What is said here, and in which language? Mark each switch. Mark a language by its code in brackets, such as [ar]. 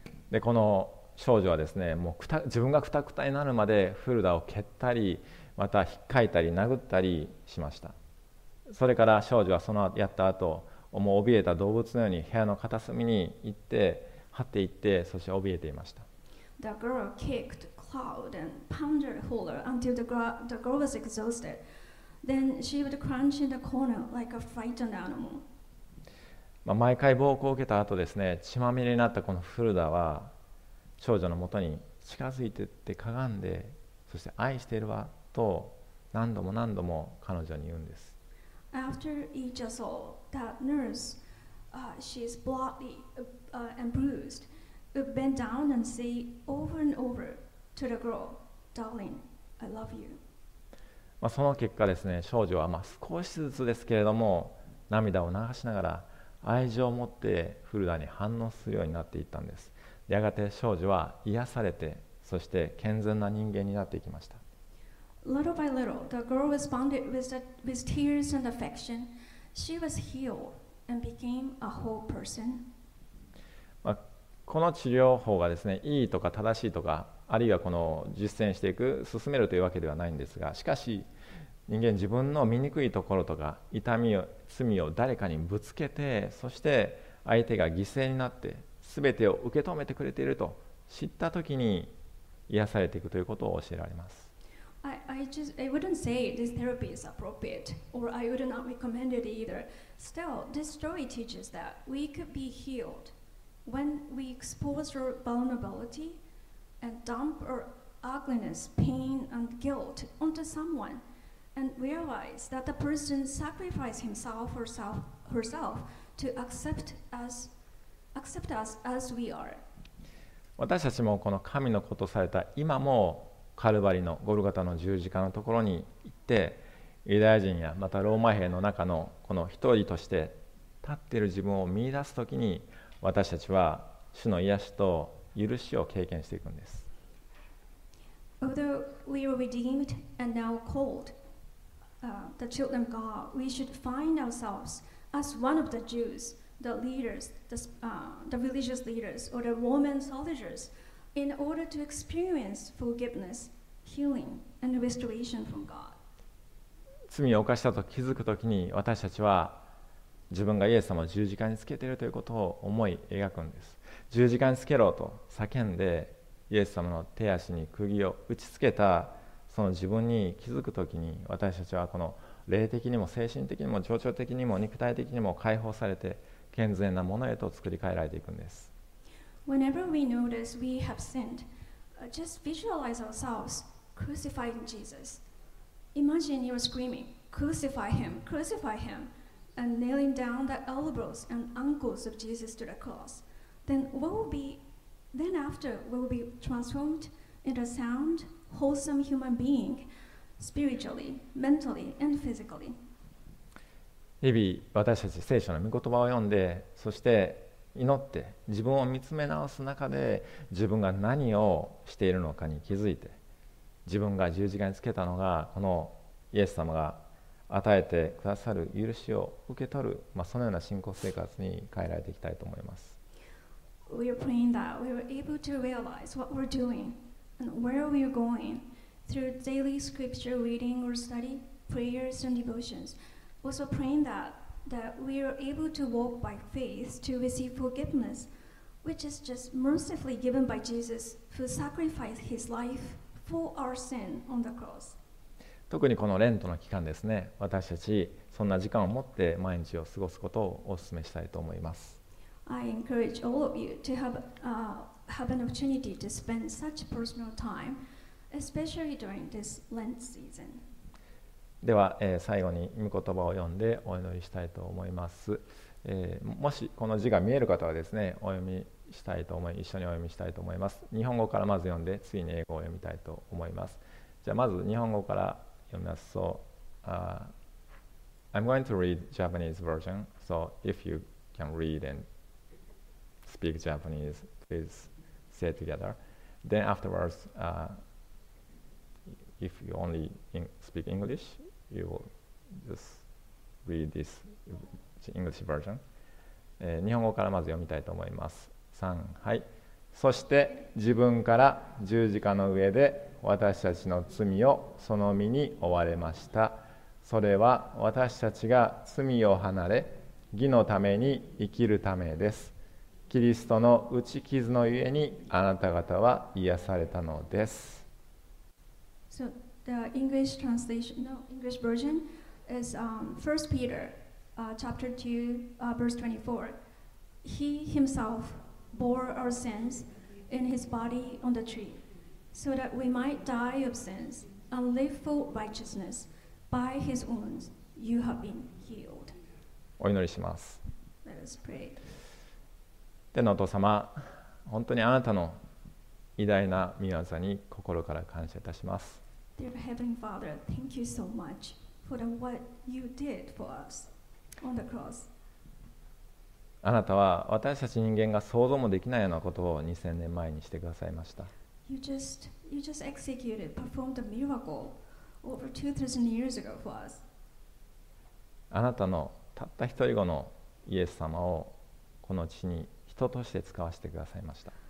[ja] で、この少女はですね、もう自分がクタクタになるまでフルダを蹴ったり、また引っかいたり殴ったりしました。それから少女はその後やった後、もう怯えた動物のように部屋の片隅に行って張っていって、そして怯えていました。 [en] The girl kicked, clawed, and pounded Hulda until the girl was exhausted. Then she would crunch in the corner like a frightened animal. [ja] まあ、毎回暴行を受けた後ですね、血まみれになったこのフルダは少女のもとに近づいていってかがんで、そして愛しているわと何度も何度も彼女に言うんです。 [en] After each assault, that nurse, she is bloody and bruised, would bend down and say over and over to the girl, "Darling, I love you." [ja] まあ、その結果ですね、少女はまあ少しずつですけれども涙を流しながら愛情を持ってフルダに反応するようになっていったんです。やがて少女は癒されて、そして健全な人間になっていきました。 [en] Little by little, the girl responded with tears and affection. She was healed and became a whole person. [ja] まあ、この治療法がですね、いいとか正しいとか、あるいはこの実践していく、進めるというわけではないんですが、しかし人間、自分の醜いところとか痛みを、罪を誰かにぶつけて、そして相手が犠牲になって全てを受け止めてくれていると知った時に癒されていくということを教えられます。 [en] I wouldn't say this therapy is appropriate, or I would not recommend it either. Still, this story teaches that we could be healed when we expose our vulnerability and dump our ugliness, pain, and guilt onto someone, and realize that the person sacrificed himself or herself to accept us as we are. [ja] 私たちもこの神の子とされた今も、カルバリのゴルガタの十字架のところに行って、ユダヤ人やまたローマ兵の中のこの一人として立っている自分を見出すときに、私たちは主の癒しと許しを経験していくんです。 [en] Although we are redeemed and now called the children of God, we should find ourselves as one of the Jews, the leaders, the religious leaders, or the Roman soldiers,in order to experience forgiveness, healing, and restoration from God. [ja] 罪を犯したと気づくときに、私たちは自分がイエス様を十字架につけているということを思い描くんです。十字架につけろと叫んで、イエス様の手足に釘を打ちつけたその自分に気づくときに、私たちはこの霊的にも精神的にも情緒的にも肉体的にも解放されて、健全なものへと作り変えられていくんです。 [en] Whenever we notice we have sinned, just visualize ourselves crucifying Jesus. Imagine you're screaming, "Crucify him, crucify him," and nailing down the elbows and ankles of Jesus to the cross. Then after we'll be transformed into a sound, wholesome human being, spiritually, mentally, and physically. [ja] 日々私たち聖書の御言葉を読んで、そして祈って、自分を見つめ直す中で自分が何をしているのかに気づいて、自分が十字架につけたのがこのイエス様が与えてくださる許しを受け取る、まあ、そのような信仰生活に変えられていきたいと思います。 [en] We are praying that we are able to realize what we're doing and where we are going through daily scripture reading or study, prayers and devotions. Also praying that we are able to walk by faith to receive forgiveness, which is just mercifully given by Jesus, who sacrificed his life for our sin on the cross. [ja] 特にこのレントの期間ですね、私たちそんな時間を持って毎日を過ごすことをお勧めしたいと思います。 [en] I encourage all of you to have an opportunity to spend such personal time, especially during this Lent season. [ja] では、最後に御言葉を読んでお祈りしたいと思います。もしこの字が見える方はですね、お読みしたいと思い、一緒にお読みしたいと思います。日本語からまず読んで、次に英語を読みたいと思います。じゃあまず日本語から読みます。 [en] So, I'm going to read Japanese version. So if you can read and speak Japanese, please say together. Then afterwards, if you only speak English, you will just read this English version. [ja] 日本語からまず読みたいと思います。3、はい。そして自分から十字架の上で私たちの罪をその身に負われました。それは私たちが罪を離れ、義のために生きるためです。キリストの打ち傷のゆえにあなた方は癒されたのです。 [en] So the English translation, no, English version is First Peter, chapter 2, verse 24. He himself bore our sins in his body on the tree, so that we might die of sins and live for righteousness. By his wounds, you have been healed. [ja] お祈りします。 [en] Let us pray. [ja] 天のお父様、本当にあなたの偉大な御業に心から感謝いたします。 [en] Dear Heavenly Father, thank you so much for the what you did for us on the cross. [ja] あなたは私たち人間が想像もできないようなことを2000年前にしてくださいました。 [en] You just executed, performed a miracle over 2000 years ago for us. [ja] あなたのたった一人子のイエス様をこの地に人として使わせてくださいました。